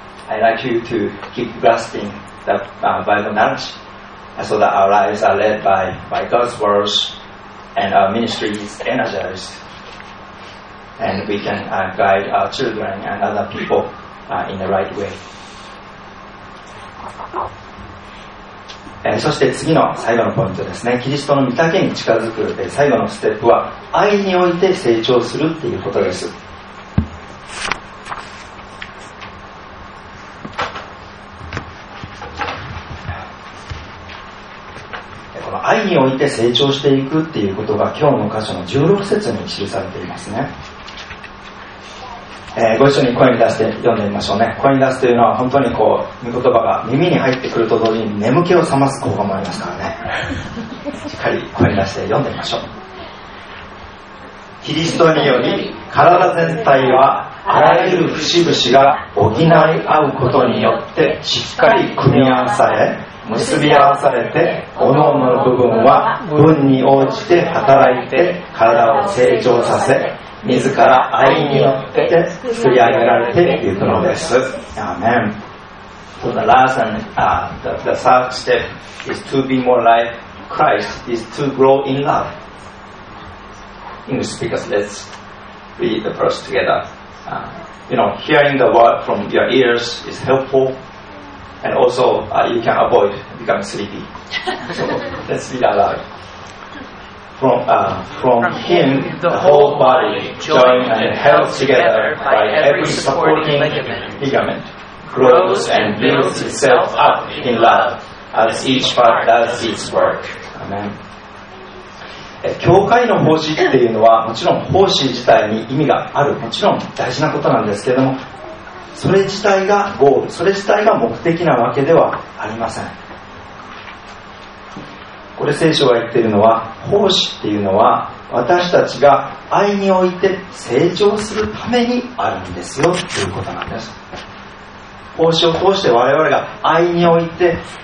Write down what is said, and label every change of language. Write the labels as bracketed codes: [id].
[en] I'd like you to keep grasping the Bible knowledge so that our lives are led by God's words, and our ministry is energized, and we can guide our children and other people in the right way. [ja] そして次の最後のポイントですね。キリストの御丈に近づく最後のステップは愛において成長するっていうことです。愛において成長していくっていうことが今日の箇所の16節に記されていますね。ご一緒に声に出して読んでみましょうね。声に出すというのは本当にこう言葉が耳に入ってくると同時に眠気を覚ます効果もありますからね。しっかり声に出して読んでみましょう。キリストにより体全体はあらゆる節々が補い合うことによってしっかり組み合わされ結び合わされて、おのおのの部分は分に応じて働いて体を成長させ、自ら愛によって作り上げられていくのです。アーメン。 [en] So the last and the third step is to be more like Christ, is to grow in love. English speakers, let's read the verse together. You know, hearing the word from your ears is helpful. And also, you can avoid becoming sleepy. So, let's read aloud. From him, the whole body, joined and held together by every supporting ligament, grows and builds itself up in love as each part does its work. Amen. [ja] 教会の奉仕っていうのは、もちろん奉仕自体に意味がある。もちろん大事なことなんですけれども、それ自体がゴール、それ自体が目的なわけではありません。これ聖書が言っているのは、奉仕っていうのは私たちが愛において成長するためにあるんですよということなんです。奉仕を通して我々が愛において